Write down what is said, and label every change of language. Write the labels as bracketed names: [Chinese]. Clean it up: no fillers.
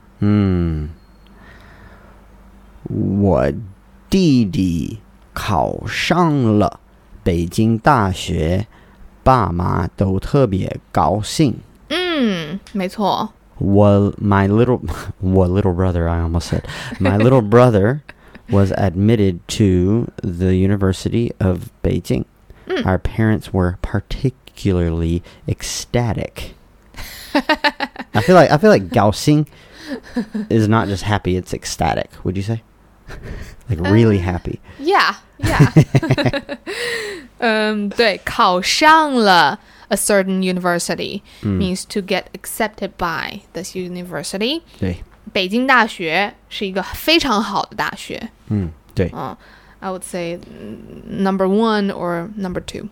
[Chinese] 嗯我弟弟考上了北京大学爸妈都特别高兴嗯没错 [English] My little brother was admitted to the University of Beijing. Our parents were particularly ecstatic. I feel like 高兴 is not just happy, it's ecstatic, would you say? Like really happy. Yeah. [Chinese] 对,考上了 [English] a certain university、嗯、 means to get accepted by this university. [Chinese] 对。北京大学是一个非常好的大学。嗯,对。 [English] I would say number one or number two.